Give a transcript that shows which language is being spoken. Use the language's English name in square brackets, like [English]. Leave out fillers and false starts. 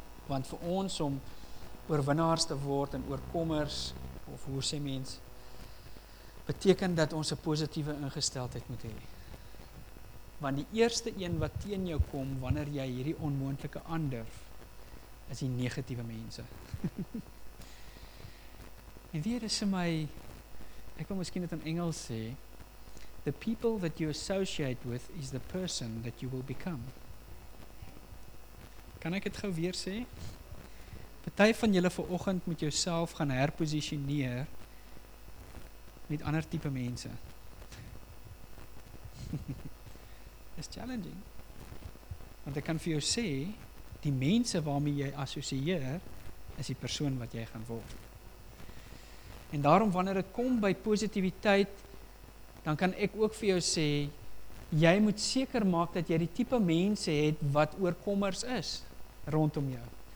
[Afrikaans] Want vir ons om oorwinnaars te word en oorkommers, of hoe sê mens, beteken dat ons 'n positiewe ingesteldheid moet hê. Want die eerste een wat teen jou kom, wanneer jy hierdie onmoontlike aandurf, is die negatiewe mense. En weer is my, ek wil miskien dit in Engels sê, [English] the people that you associate with is the person that you will become. Kan ek dit gou weer sê? [Afrikaans] Party van julle vanoggend moet jouself gaan herposisioneer met ander tipe mense. [English] It's challenging. [Afrikaans] Want ek kan vir jou sê, die mense waarmee jy assosieer, is die persoon wat jy gaan word. En daarom, wanneer ek kom by positiwiteit, dan kan ek ook vir jou sê, jy moet seker maak dat jy die type mense het wat oorkommers is, rondom jou.